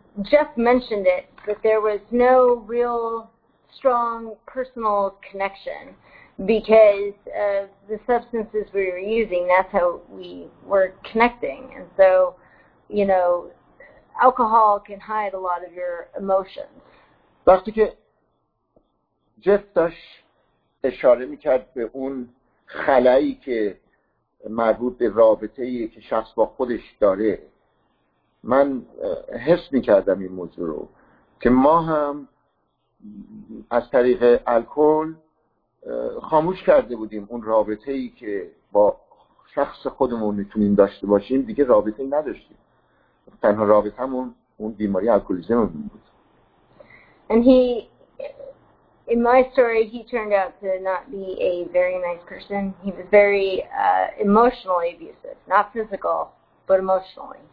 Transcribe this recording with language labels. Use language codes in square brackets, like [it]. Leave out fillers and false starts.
[en] Jeff mentioned it, that there was no real strong personal connection because of the substances we were using. That's how we were connecting. And so, you know, alcohol can hide a lot of your emotions. [fa] وقتی که جف داشت اشاره میکرد به اون خلایی که مربوط به رابطه ای که شخص با خودش داره، من حس میکردم این موضوع رو که ما هم از طریق الکل خاموش کرده بودیم اون رابطه ای که با شخص خودمون میتونیم داشته باشیم، دیگه رابطه ای نداشتیم، تنها رابطه همون اون بیماری الکولیزم بود. [en] And he, in my story, he turned out to not be a very nice person. He was very emotionally abusive, not physical, but emotionally.